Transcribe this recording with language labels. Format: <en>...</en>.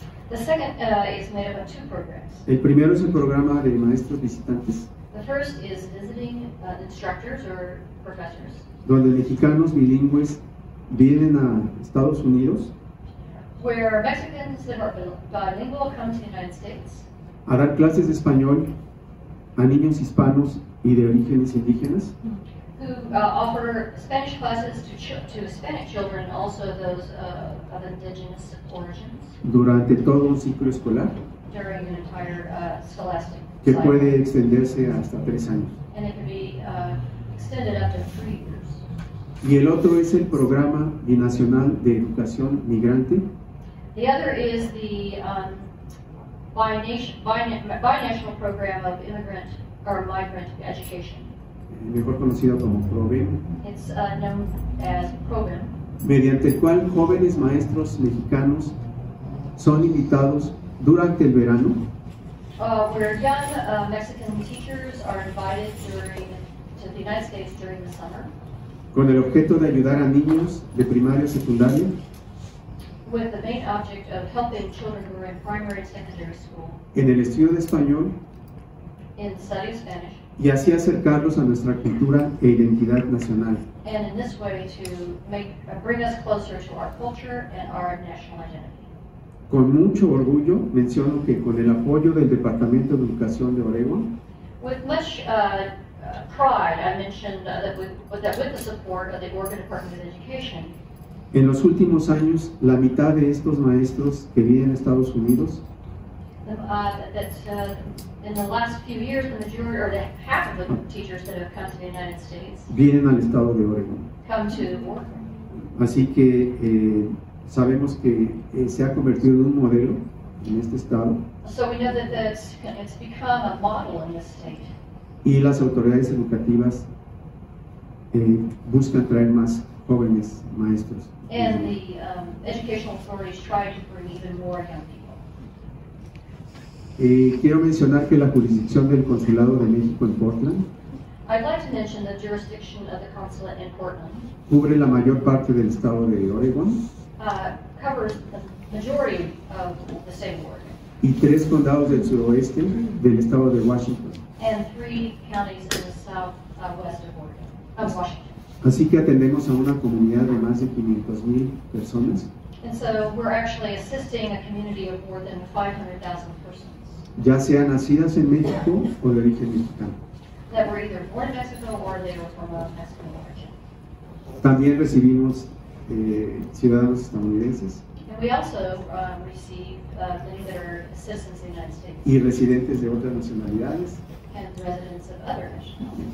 <en>The second is made up of two programs.</en> <es>El primero es el programa de maestros visitantes.</es> <en>The first is visiting instructors or professors.</en> <es>Donde mexicanos bilingües vienen a Estados Unidos,</es> <en>where Mexicans that are bilingual come to the United States,</en> <es>a dar clases de español a niños hispanos y de orígenes indígenas,</es> <en>who offer Spanish classes to Hispanic children, also those of indigenous origins,</en> <es>durante todo un ciclo escolar,</es> <en>during an entire scholastic cycle,</en> <es>que puede extenderse hasta 3 años,</es> <en>and it can be extended up to 3 years.</en> <es>Y el otro es el Programa Binacional de Educación Migrante.</es> <en>The other is the binational program of immigrant or migrant education.</en> <es>Mejor conocido como PROBEM.</es> <en>It's known as PROBEM.</en> <es>Mediante el cual jóvenes maestros mexicanos son invitados durante el verano.</es> <en>Where young Mexican teachers are invited to the United States during the summer.</en> <es>Con el objeto de ayudar a niños de primaria y secundaria,</es> <en>with the main object of helping children who are in primary and secondary school,</en> <es>en el estudio de español,</es> <en>in study of Spanish,</en> <es>y así acercarlos a nuestra cultura e identidad nacional,</es> <en>and in this way to bring us closer to our culture and our national identity.</en> <es>Con mucho orgullo menciono que con el apoyo del Departamento de Educación de Oregón,</es> <en>with much pride, I mentioned that with the support of the Oregon Department of Education,</en> <es>en los últimos años, la mitad de estos maestros que viven en Estados Unidos,</es> <en>in the last few years, the majority or the half of the teachers that have come to the United States,</en> <es>vienen al estado de Oregon.</es> <en>Come to Oregon.</en> <es>Así que sabemos que se ha convertido en un modelo en este estado.</es> <en>So we know that it's become a model in this state.</en> <es>Y las autoridades educativas buscan traer más jóvenes maestros.</es> <en>And the educational authorities try to bring even more young people.</en> <es>Quiero mencionar que la jurisdicción del Consulado de México en Portland,</es> <en>I'd like to mention the jurisdiction of the consulate in Portland,</en> <es>cubre la mayor parte del estado de Oregón,</es> <en>covers the majority of the state of Oregon,</en> <es>y tres condados del sudoeste del estado de Washington,</es> <en>and three counties in the southwest of Oregon, of Washington.</en> <es>Así que atendemos a una comunidad de más de 500,000 personas.</es> <en>And so we're actually assisting a community of more than 500,000 persons.</en> <es>Ya sean nacidas en México o de origen mexicano.</es> <en>That were either born in Mexico or they were from a Mexican origin.</en> <es>También recibimos ciudadanos estadounidenses.</es> <en>And we also receive many that are citizens of the United States.</en> <es>Y residentes de otras nacionalidades.</es> <en>And residents of other nationalities.</en>